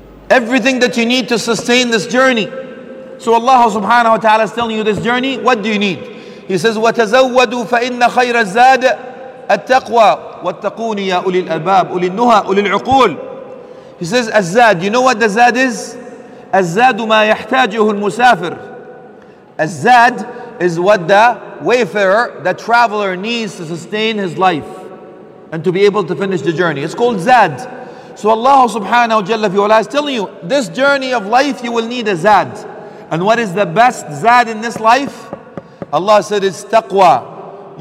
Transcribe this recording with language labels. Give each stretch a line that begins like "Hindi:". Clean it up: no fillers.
English: Everything that you need to sustain this journey. So Allah subhanahu wa ta'ala is telling you this journey, what do you need? He says,
Arabic: وَتَزَوَّدُوا فَإِنَّ خَيْرَ الزَّادَ التَّقْوَى وَاتَّقُونِ يَا أُولِي الْأَلْبَابِ أُولِي النُّهَى أُولِي الْعُقُولِ.
English: He says, الزاد. You know what the zad is?
Arabic: الزاد ما يحتاجه المسافر.
English: الزاد is what the wayfarer, the traveler needs to sustain his life and to be able to finish the journey. It's called zad. So Allah subhanahu wa jalla fi ala is telling you, this journey of life, you will need a zad. And what is the best zad in this life? Allah said it's taqwa.